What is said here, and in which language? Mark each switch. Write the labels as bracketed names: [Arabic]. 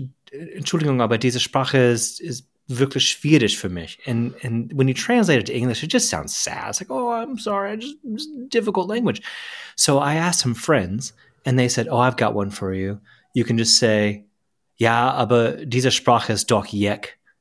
[German] Entschuldigung, aber diese Sprache ist wirklich schwierig für mich. [English] And when you translate it to English, it just sounds sad. It's like, oh, I'm sorry. It's a difficult language. So I asked some friends, and they said, oh, I've got one for you. You can just say, [German] ja, aber diese Sprache ist doch jeck.